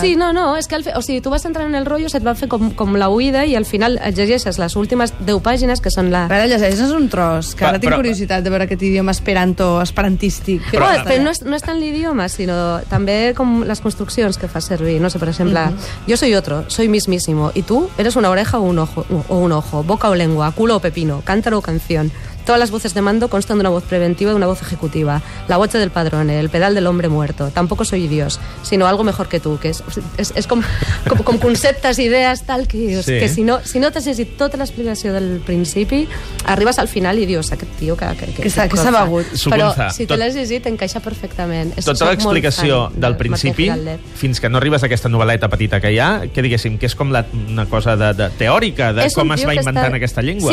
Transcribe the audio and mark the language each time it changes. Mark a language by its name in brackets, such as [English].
[Catalan] Sí, no, és que o sigui, tu vas entrar en el rotllo, se't va fer com la huida i al final et llegeixes les últimes 10 pàgines que són la... A veure, llegeixes un tros, que ara tinc curiositat de veure aquest idioma esperanto, esperantístic. Però no és tant l'idioma, sinó també com les construccions que fa servir. [Spanish] No sé, [Catalan] per exemple, [Spanish] jo soy otro, soy mismísimo, i tu eres una oreja o un ojo, boca o lengua, culo o pepino, cántaro o canción. Todas las voces de mando constan de una voz preventiva y una voz ejecutiva. La voz del padrón, el pedal del hombre muerto. Tampoco soy Dios, sino algo mejor que tú. [Catalan] Que es com conceptes, idees, tal, que, sí. que si no t'has llegit tota l'explicació del principi, arribes al final i dius, aquest tio que s'ha begut. Però si te l'has llegit, encaixa perfectament. Tota l'explicació del principi, fins que no arribes a aquesta novel·leta petita que hi ha, que diguéssim, que és com una cosa de teòrica, de com es va inventant aquesta llengua.